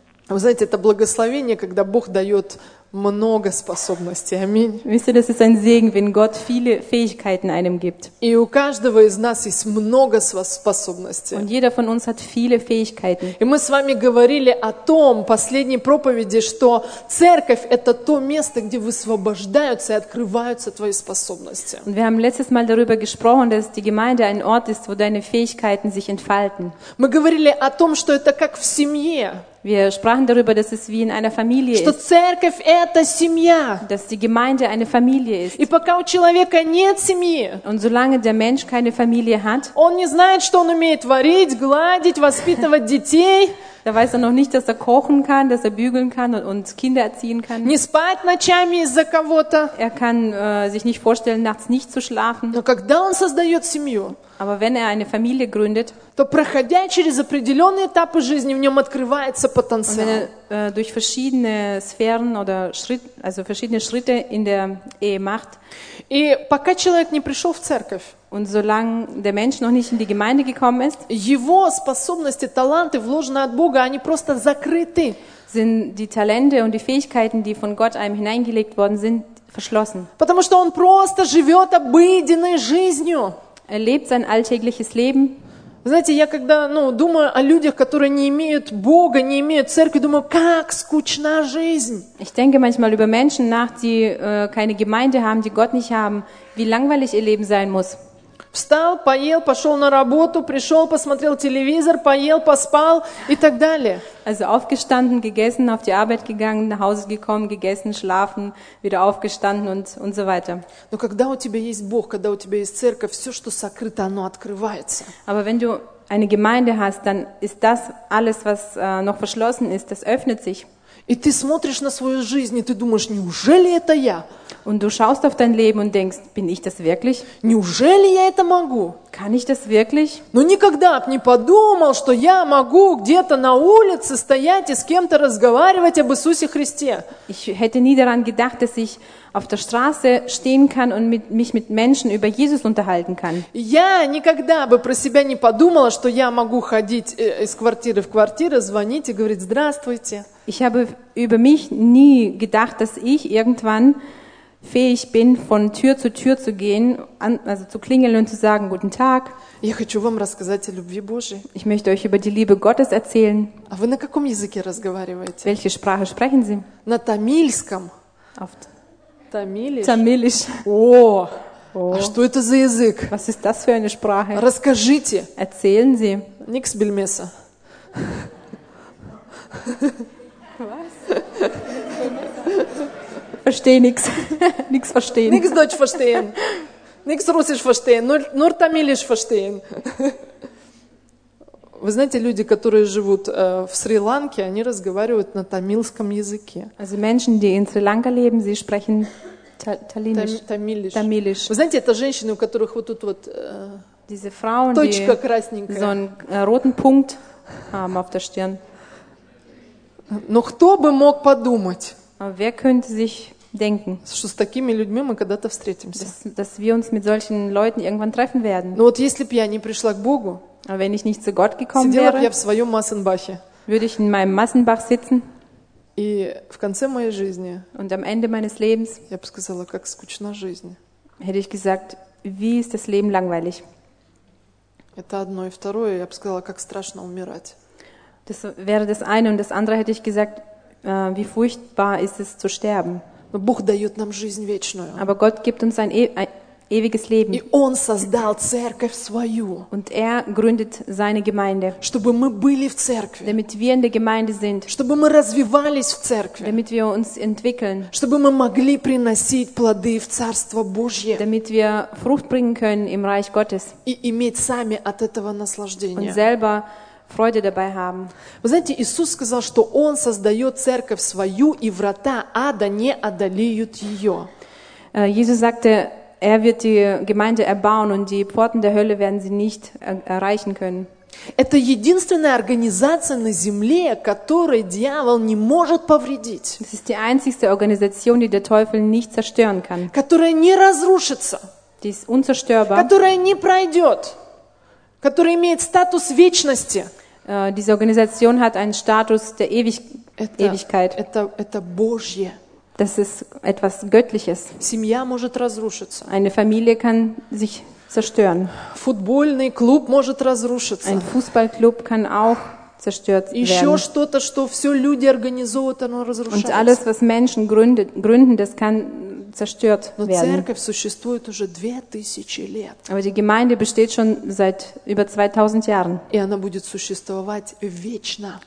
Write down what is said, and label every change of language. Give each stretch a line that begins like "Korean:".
Russian: Вы знаете, это благословение, когда Бог дает много способностей. Аминь.
German: Wisst ihr, das ist ein Segen, wenn Gott viele Fähigkeiten einem gibt.
Russian: И у каждого из нас есть много способностей.
German: Und jeder von uns hat viele Fähigkeiten.
Russian: И мы с вами говорили о том, последней проповеди, что церковь это то место, где высвобождаются и открываются твои способности.
German: Und wir haben letztes Mal darüber gesprochen, dass die Gemeinde ein Ort ist, wo deine Fähigkeiten sich entfalten.
Russian: Мы говорили о том, что это как в семье.
German: Wir sprachen darüber, dass es wie in einer Familie
Russian: что
German: ist.
Russian: Церковь это семья.
German: Dass die Gemeinde eine Familie ist.
Russian: И пока у человека нет семьи.
German: Und solange der Mensch keine Familie hat.
Russian: Он не знает, что он умеет варить, гладить, воспитывать детей.
German: Da weiß er noch nicht, dass er kochen kann, dass er bügeln kann und Kinder erziehen kann.
Russian: Не спать ночами из-за кого-то.
German: Er kann sich nicht vorstellen, nachts nicht zu schlafen.
Russian: Но когда он создает семью.
German: Aber wenn er eine Familie gründet,
Russian: то проходя через определенные этапы жизни, в нем открывается потенциал.
German: Wenn er durch verschiedene Sphären oder verschiedene Schritte in der Ehe macht.
Russian: И пока человек не пришел в церковь,
German: und solange der Mensch noch nicht in die Gemeinde gekommen ist,
Russian: его способности, таланты, вложенные от Бога, они просто закрыты.
German: Sind die Talente und die Fähigkeiten, die von Gott einem hineingelegt worden sind, verschlossen.
Russian: Потому что он просто живет обыденной жизнью.
German: Er lebt sein alltägliches Leben.
Russian: Знаете, я когда, ну, думаю о людях, которые не имеют Бога, не имеют церкви, думаю, как скучна жизнь.
German: Ich denke manchmal über Menschen nach, die keine Gemeinde haben, die Gott nicht haben, wie langweilig ihr Leben sein muss.
Russian: Встал, поел, пошел на работу, пришел, посмотрел телевизор, поел, поспал и так далее.
German: Also aufgestanden, gegessen, auf die Arbeit gegangen, nach Hause gekommen, gegessen, schlafen, wieder aufgestanden und so weiter.
Russian: Но когда у тебя есть Бог, когда у тебя есть церковь, все, что сокрыто, оно открывается.
German: Aber wenn du eine Gemeinde hast, dann ist das alles, was noch verschlossen ist, das öffnet sich.
Russian: И ты смотришь на свою жизнь, и ты думаешь, неужели это я?
German: Und du schaust auf dein Leben und denkst, bin ich das wirklich?
Russian: Неужели я это могу?
German: Kann ich das wirklich?
Russian: Ну никогда б не подумал, что я могу где-то на улице стоять и с кем-то разговаривать об Иисусе Христе.
German: Ich hätte nie daran gedacht, dass ich auf der Straße stehen kann und mich mit Menschen über Jesus unterhalten kann.
Russian: Я никогда бы про себя не подумала, что я могу ходить из квартиры в квартиру, звонить и говорить «Здравствуйте».
German: Ich habe über mich nie gedacht, dass ich irgendwann fähig bin, von Tür zu gehen, also zu klingeln und zu sagen, guten Tag.
Russian: Я хочу вам рассказать о любви Божьей.
German: Ich möchte euch über die Liebe Gottes erzählen.
Russian: А вы на каком языке разговариваете?
German: Welche Sprache sprechen Sie?
Russian: На тамильском.
German: Auf Tamilisch. Tamilisch.
Russian: Oh. А что это за язык?
German: Was ist das für eine Sprache?
Russian: Расскажите.
German: Erzählen Sie. Nix bilmesa. Was? Verstehe nichts. Nichts verstehen. Nichts Deutsch verstehen. Nichts Russisch verstehen. Nur Tamilisch verstehen.
Russian: Вы знаете, люди, которые живут в Шри-Ланке, они разговаривают на тамильском языке.
German: Also Menschen, die in Sri Lanka leben, sie sprechen Tamilisch.
Russian: Вы знаете, это женщины, у которых вот тут вот
German: diese Frauen,
Russian: точка красненькая.
German: So einen roten Punkt haben auf der Stirn.
Russian: Но кто бы мог подумать,
German: wer könnte sich denken,
Russian: что с такими людьми мы когда-то встретимся?
German: Dass wir uns mit solchen Leuten irgendwann treffen werden.
Russian: Но вот если бы я не пришла к Богу,
German: wenn ich nicht zu Gott gekommen
Russian: сидела
German: wäre,
Russian: бы я в своем Массенбахе,
German: würde ich in meinem Massenbach sitzen,
Russian: и в конце моей жизни,
German: und am Ende meines Lebens,
Russian: я бы сказала, как скучна жизнь.
German: Hätte ich gesagt, wie ist das Leben langweilig?
Russian: Это одно и второе, я бы сказала, как страшно умирать.
German: Das wäre das eine und das andere hätte ich gesagt, Wie furchtbar ist es zu sterben?
Russian: Но Бог дает нам жизнь вечную.
German: Aber Gott gibt uns ein ewiges Leben.
Russian: И Он создал церковь свою.
German: Und er gründet seine Gemeinde.
Russian: Чтобы мы были в церкви.
German: Damit wir in der Gemeinde sind.
Russian: Чтобы мы развивались в церкви.
German: Damit wir uns entwickeln.
Russian: Чтобы мы могли приносить плоды в Царство Божье.
German: Damit wir Frucht bringen können im Reich Gottes.
Russian: И иметь сами от этого наслаждение.
German: Und selber Freude dabei haben.
Russian: Вы знаете, Иисус сказал, что Он создает церковь свою, и врата ада не одолеют ее.
German: Jesus sagte, er wird die Gemeinde erbauen und die Pforten der Hölle werden sie nicht erreichen können.
Russian: Это единственная организация на земле, которой дьявол не может повредить.
German: Das ist die einzigste Organisation, die der Teufel nicht zerstören kann.
Russian: Которая не разрушится.
German: Die ist unzerstörbar.
Russian: Которая не пройдет. Который имеет статус вечности.
German: Diese Organisation hat einen Status der Ewigkeit.
Russian: Это Божье.
German: Das ist etwas Göttliches.
Russian: Семья может разрушиться.
German: Eine Familie kann sich zerstören.
Russian: Футбольный клуб может разрушиться.
German: Ein Fußballclub kann auch zerstört werden.
Russian: Еще что-то, что все люди организуют, оно разрушается.
German: Und alles, was Menschen gründen, das kann zerstört werden.
Russian: Церковь существует уже 2000 лет.
German: Aber die Gemeinde besteht schon seit über 2000 Jahren.
Russian: И она будет существовать вечно.